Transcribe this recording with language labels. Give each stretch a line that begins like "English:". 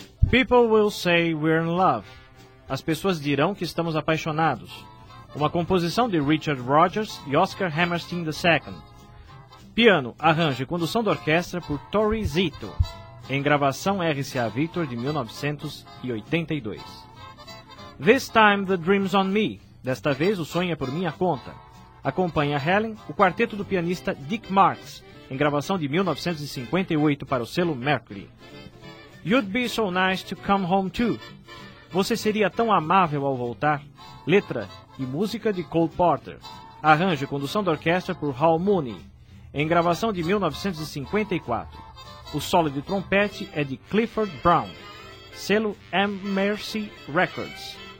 English: People will say we're in love.
Portuguese: As pessoas dirão que estamos apaixonados. Uma composição de Richard Rodgers e Oscar Hammerstein II. Piano, arranjo e condução da orquestra por Tori Zito. Em gravação RCA Victor de 1982. This Time the Dream's on Me. Desta vez o sonho é por minha conta. Acompanha Helen, o quarteto do pianista Dick Marks. Em gravação de 1958 para o selo Mercury.
English: You'd be so nice to come home too.
Portuguese: Você seria tão amável ao voltar? Letra e música de Cole Porter. Arranjo e condução da orquestra por Hal Mooney. Em gravação de 1954. O solo de trompete é de Clifford Brown. Selo M. Mercy Records.